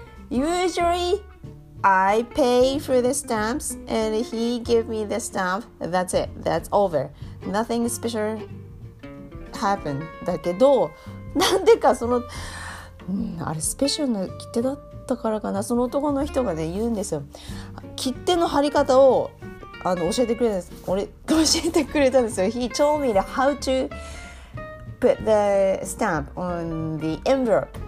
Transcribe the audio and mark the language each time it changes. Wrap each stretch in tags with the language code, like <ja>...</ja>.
<en>usually I pay for the stamps and he gave me the stamp. That's it. That's over. Nothing special happened.</en> <ja>だけど、なんでかその、あれスペシャルな切手だったからかな。その男の人がね、言うんですよ。切手の貼り方を教えてくれたんですよ。</ja> <en>He told me how to put the stamp on the envelope.</en>